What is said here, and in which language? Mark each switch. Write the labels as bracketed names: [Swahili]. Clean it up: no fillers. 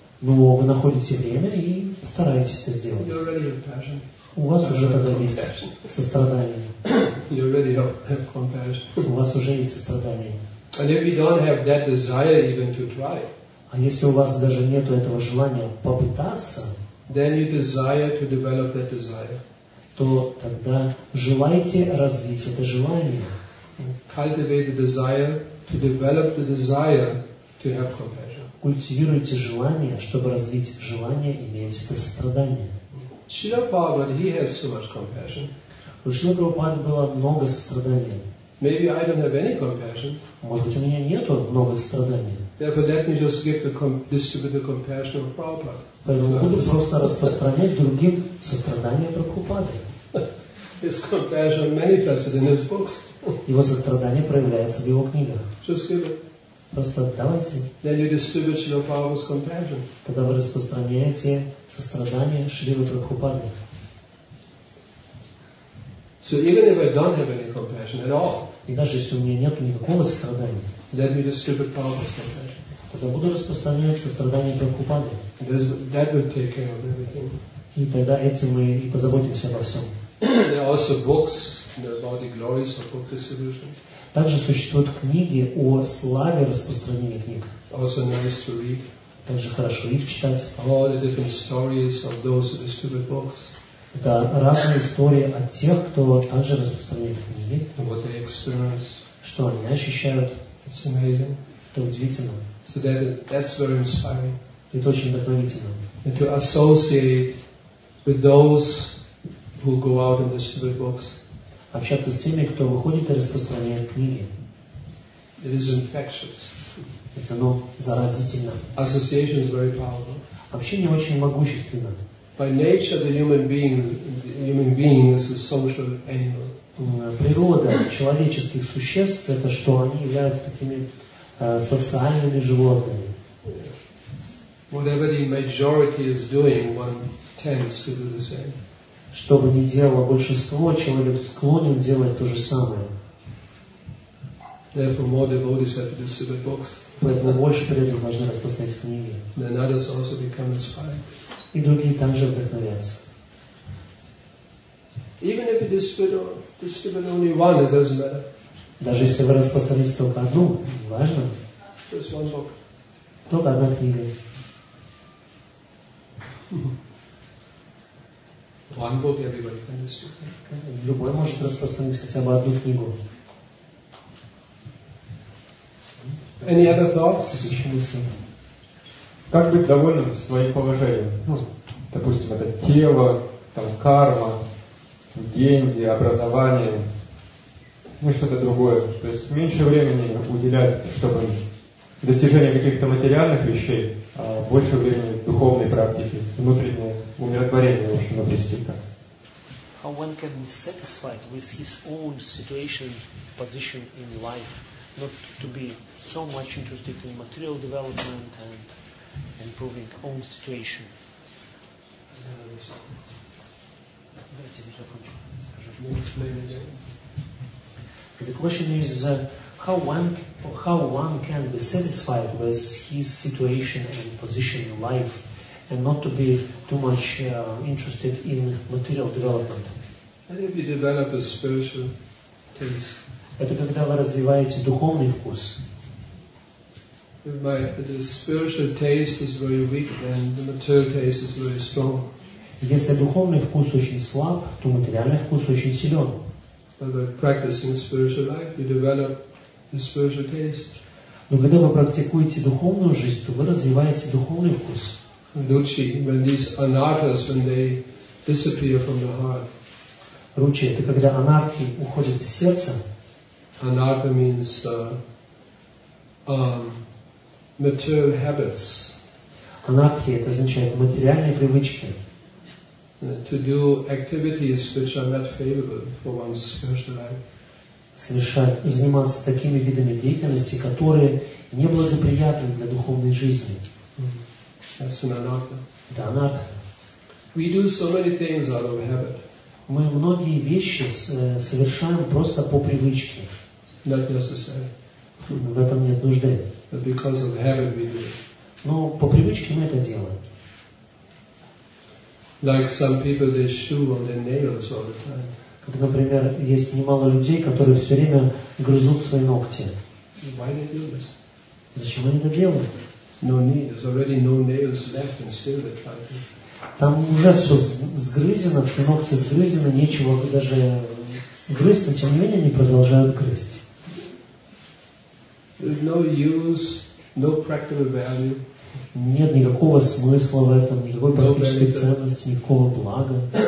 [Russian] Но вы находите время и стараетесь это сделать. [English] You already have passion. [Russian] У вас уже тогда есть сострадание. [English] You already have compassion. [Russian] У вас уже есть сострадание. [English] And if you don't have that desire even to try, [Russian] а если у вас даже нет этого желания попытаться, [English] then you desire to develop that desire. [Russian] То тогда желайте развить это желание. [English] Cultivate the desire to develop the desire to have compassion. [Russian] Культивируйте желание, чтобы развить желание иметь это сострадание. [English] Шрила Прабхупада, he has so much compassion. [Russian] У Шрилы Прабхупады было много сострадания. [English] Maybe I don't have any compassion. [Russian] Может быть, у меня нету много сострадания. [English] Therefore, let me just give the distribute the compassion of Prabhupada. [Russian] Поэтому буду просто распространять другим сострадание Прабхупады. [English] His compassion manifested in his books. [Russian] Его сострадание проявляется в его книгах. [English] Just give it. [Russian] Просто давайте. [English] Then you distribute Srila Prabhupada's compassion. [Russian] Когда вы распространяете сострадание Шрилы Прабхупады. [English] So even if I don't have any compassion at all, [Russian] и даже если у меня нет никакого сострадания, [English] let me distribute Prabhupada's compassion. [Russian] Тогда буду распространять сострадание Прабхупады. [English] That will take care of everything. [Russian] И тогда этим мы и позаботимся обо всем. [English] There are also books about the glories of book distribution. [Russian] Также существуют книги о славе распространения книг. [English] Also nice to read. [Russian] Также хорошо их читать. [English] All the different stories of those who distribute books. [Russian] Это разные истории от тех, кто также распространяет книги. [English] What they experience. [Russian] Что они ощущают. [English] It's amazing. [Russian] Это удивительно. [English] So that's very inspiring. [Russian] Это очень вдохновительно. [English] And to associate with those who go out and distribute books. [Russian] Общаться с теми, кто выходит и распространяет книги. [English] It is infectious. [Russian] Это оно заразительно. [English] Association is very powerful. [Russian] Общение очень могущественно. [English] By nature, the human being is a social animal. [Russian] Природа человеческих существ – это что они являются такими социальными животными. [English] Whatever the majority is doing, one tends to do the same. [Russian] Что бы ни делало большинство, человек склонен делать то же самое. [English] Therefore, more devotees have to distribute books. [Russian] Поэтому больше преданных должны распространять книги. [English] Then others also become inspired. [Russian] И другие также вдохновятся. [English] Even if you distribute only one, it doesn't matter. [Russian] Даже если вы распространите только одну, не важно. [English] Just one book. [Russian] Только одна книга. [English] One book, everybody can distribute. [Russian] Любой может распространить хотя бы одну книгу. [English] Any other thoughts? [Russian] Еще мысли. Как быть довольным своим положением? Ну, допустим, это тело, там карма, деньги, образование, ну что-то другое. То есть меньше времени уделять, чтобы достижение каких-то материальных вещей, а больше времени духовной практике, внутреннее умиротворение, в общем, обрести так. [English] How one can be satisfied with his own situation, position in life, not to be so much interested in material development and improving own situation. [Russian] Давайте я закончу. [English] The question is how one can be satisfied with his situation and position in life and not to be too much interested in material development. And if you develop a spiritual taste. [Russian] Это когда вы развиваете духовный вкус. [English] The spiritual taste is very weak and the material taste is very strong. [Russian] Если духовный вкус очень слаб, то материальный вкус очень силен. Но когда вы практикуете духовную жизнь, то вы развиваете духовный вкус. [English] Ручи, when these anarthas, when they disappear from the heart. [Russian] Ручи, это когда анархи уходят из сердца. [English] Anartha means material habits. [Russian] Анархи, это означает материальные привычки. [English] To do activities which are not favorable for one's spiritual life. [Russian] Совершать, заниматься такими видами деятельности, которые не благоприятны для духовной жизни. [English] That's an anartha. [Russian] Это анартха. [English] We do so many things out of habit. [Russian] Мы многие вещи совершаем просто по привычке. [English] Not necessary. [Russian] В этом нет нужды. [English] But because of habit we do. [Russian] Но по привычке мы это делаем. [English] Like some people, they chew on their nails all the time. [Russian] Как, например, есть немало людей, которые все время грызут свои ногти. [English] Why they do this? [Russian] Зачем они это делают? [English] No need. There's already no nails left, and still they try to. [Russian] Там уже все сгрызено, все ногти сгрызены, нечего даже грызть, но тем не менее они продолжают грызть. [English] There's no use, no practical value. [Russian] Нет никакого смысла в этом, никакой практической ценности, никакого блага.